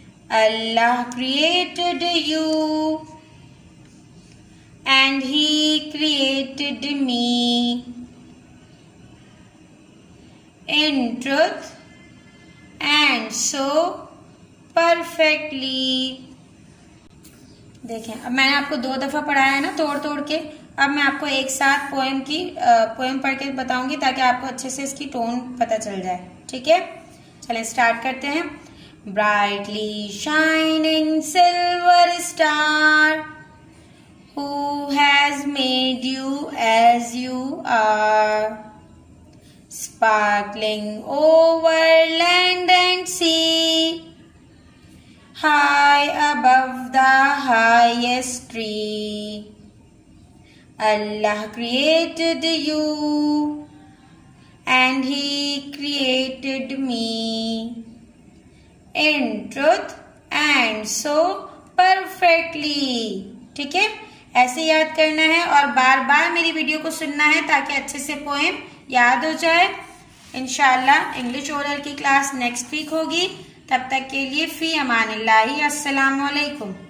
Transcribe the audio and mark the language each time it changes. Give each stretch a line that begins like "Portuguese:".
English: Allah created you and he created me. In truth and so perfectly.
Hindi: देखें, अब मैंने आपको दो दफा पढ़ाया है ना तोड़ तोड़ के, अब मैं आपको एक साथ पोएम की पोएम पढ़ के बताऊंगी ताकि आपको अच्छे से इसकी टोन पता चल जाए. ठीक है, चले स्टार्ट करते हैं.
English: Brightly shining silver star, who has made you as you are, sparkling over land and sea, high above the highest tree. Allah created you and he created me. In truth and so perfectly.
Hindi: ठीक है, ऐसे याद करना है और बार बार मेरी video को सुनना है ताकि अच्छे से पोएम याद हो जाए. इंशाल्लाह इंग्लिश ओरल की क्लास नेक्स्ट वीक होगी. तब तक के लिए फी अमानिल्लाही, अस्सलामु अलैकुम.